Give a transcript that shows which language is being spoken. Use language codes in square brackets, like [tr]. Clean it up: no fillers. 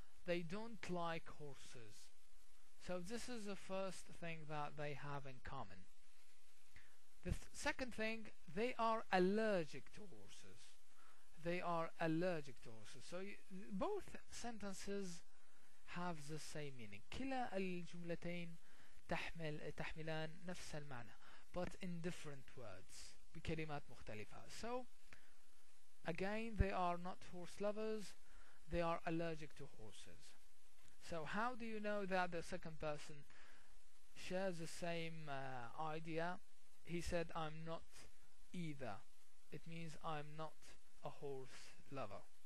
[en] They don't like horses. So this is the first thing that they have in common. The second thing, they are allergic to horses. They are allergic to horses. So both sentences have the same meaning. [ar] كلا الجملتين تحملان نفس المعنى [en] but in different words, [ar] بكلمات مختلفة. [en] So again, they are not horse lovers, they are allergic to horses. So how do you know that the second person shares the same idea? He said, I'm not either. It means I'm not a horse lover.